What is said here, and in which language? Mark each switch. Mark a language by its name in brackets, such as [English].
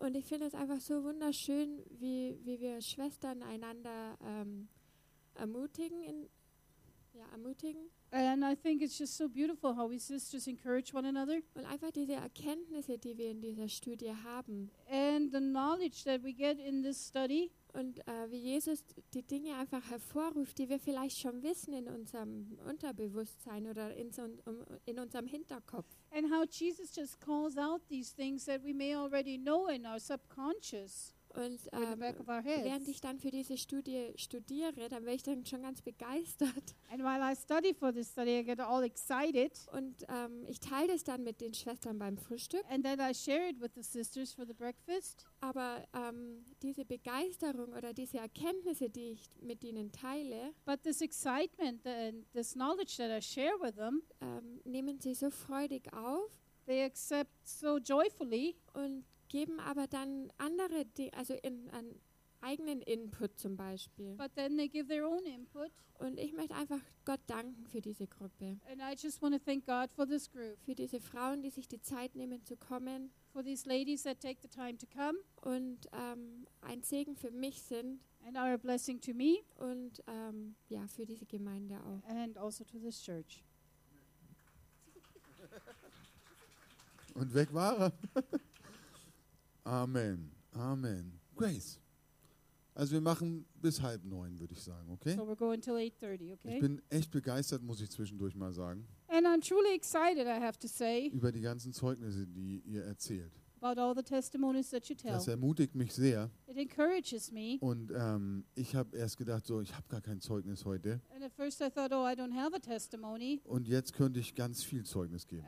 [German] Und ich finde es einfach so wunderschön, wie wir Schwestern einander ermutigen. [English] And I think it's just so beautiful how we sisters encourage one another. [German] Und einfach diese Erkenntnisse, die wir in dieser Studie haben. [English] And the knowledge that we get in this study. [German] Und wie Jesus die Dinge einfach hervorruft, die wir vielleicht schon wissen in unserem Unterbewusstsein oder in unserem Hinterkopf. [English] And how Jesus just calls out these things that we may already know in our subconscious. [German] Und während ich dann für diese Studie studiere, dann werde ich dann schon ganz begeistert. [English] And while I study for this study, I get all excited. [German] Und ich teile das dann mit den Schwestern beim Frühstück. [English] And then I share it with the sisters for the breakfast. [German] Aber diese Begeisterung oder diese Erkenntnisse, die ich mit ihnen teile, [English] but this excitement and this knowledge that I share with them, [German] nehmen sie so freudig auf. [English] They accept so joyfully. [German] Und geben aber dann andere, also einen eigenen Input zum Beispiel. [English] But then they give their own input. [German] Und ich möchte einfach Gott danken für diese Gruppe. [English] And I just want to thank God for this group. [German] Für diese Frauen, die sich die Zeit nehmen zu kommen. [English] For these ladies that take the time to come. [German] Und ein Segen für mich sind. [English] And are a blessing to me. [German] Und für diese Gemeinde auch. [English] And also to this church. [German] Und weg war er. Amen, Amen. Grace. Also wir machen bis 8:30, würde ich sagen, okay? [English] So we're going till 8:30, okay? [German] Ich bin echt begeistert, muss ich zwischendurch mal sagen. [English] And I'm truly excited, I have to say. [German] Über die ganzen Zeugnisse, die ihr erzählt. [English] About all the testimonies that you tell. [German] Das ermutigt mich sehr. [English] It encourages me. [German] Und ich habe erst gedacht, so, ich habe gar kein Zeugnis heute. [English] And at first I thought, I don't have a testimony. [German] Und jetzt könnte ich ganz viel Zeugnis geben.